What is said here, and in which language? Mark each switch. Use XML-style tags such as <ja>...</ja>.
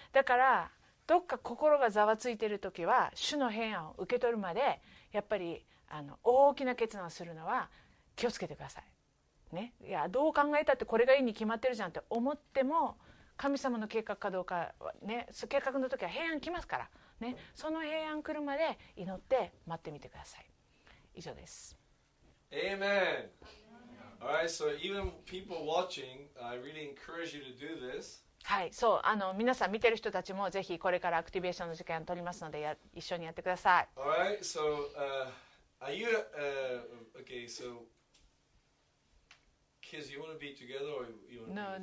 <ja>だからどっか心がざわついてるときは主の平安を受け取るまでやっぱり大きな決断をするのは気をつけてください、ね、いやどう考えたってこれがいいに決まってるじゃんって思っても神様の計画かどうかはね、計画の時は平安来ますからね、その平安来るまで祈って待ってみてください。以上です。</ja> <en>Amen. Alright, so even people watching, I really encourage you to do this.</en> <ja>はい、そう、皆さん見てる人たちもぜひこれからアクティベーションの時間を取りますので一緒にやってください。</ja> <en>Alright, so are you okay, so kids, you want to be together or you want to</en>